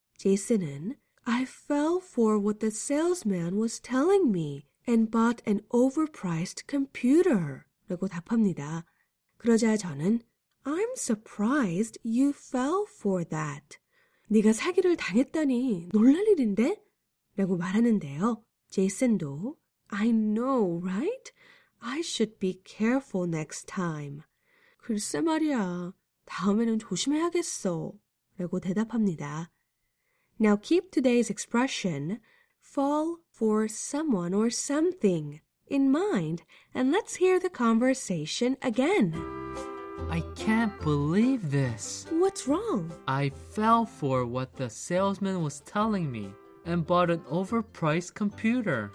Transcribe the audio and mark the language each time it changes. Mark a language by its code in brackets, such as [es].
[ko] 제이슨은 [en] I fell for what the salesman was telling me and bought an overpriced computer. [ko] 라고 답합니다. 그러자 저는 [en] I'm surprised you fell for that. [ko] 네가 사기를 당했다니 놀랄 일인데? 라고 말하는데요. 제이슨도 [en] I know, right? I should be careful next time. [ko] 글쎄 말이야, 다음에는 조심해야겠어. 라고 대답합니다. [en] Now keep today's expression, fall for someone or something, in mind, and let's hear the conversation again. I can't believe this. What's wrong? I fell for what the salesman was telling me and bought an overpriced computer.